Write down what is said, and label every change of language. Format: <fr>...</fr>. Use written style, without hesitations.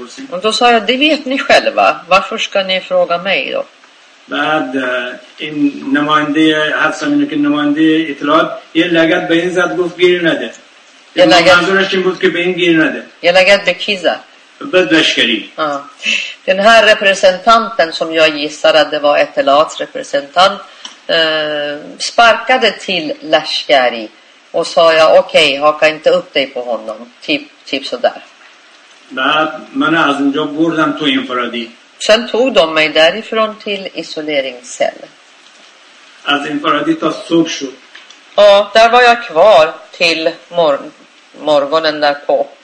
<sv>Och då sa jag, det vet ni själva. Varför ska ni fråga mig då?</sv> <fa>بعد این نماینده حسام اینو که نماینده اطلاعات یه لگد به این زد گفت گیر نده یه لگد منظورش این بود که به این گیر نده یه لگد به کی زد به دشکری</fa> <sv>den här representanten som jag gissar att det var اطلاعات representant sparkade till Lashkari och sa jag okej haka inte upp dig på honom typ så där</sv> <fa>بعد من از اونجا بردم تو انفرادی</fa> <sv>Sen tog de mig därifrån till isoleringscell. Ja, där var jag kvar till morgonen där på.</sv>